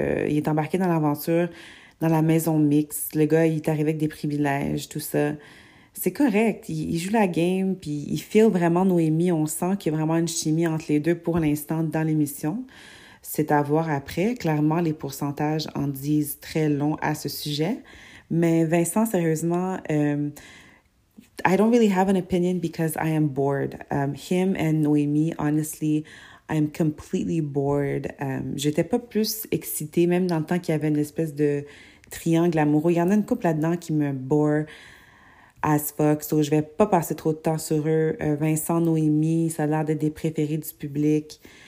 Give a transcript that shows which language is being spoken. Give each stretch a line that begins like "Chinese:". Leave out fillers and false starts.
French: Il est embarqué dans l'aventure dans la maison mixte. Le gars, il est arrivé avec des privilèges, tout ça. C'est correct. Il joue la game, puis il file vraiment Noémie. On sent qu'il y a vraiment une chimie entre les deux pour l'instant dans l'émission. C'est à voir après. Clairement, les pourcentages en disent très long à ce sujet. Mais Vincent, sérieusement,
English: I don't really have an opinion because I am bored. Him and Noémie, honestly, I'm completely bored.
French: J'étais pas plus excitée, même dans le temps qu'il y avait une espèce de triangle amoureux. Il y en a une couple là-dedans qui me
English: bore as fuck.
French: So, je vais pas passer trop de temps sur eux. Vincent, Noémie, ça a l'air d'être des préférés du public.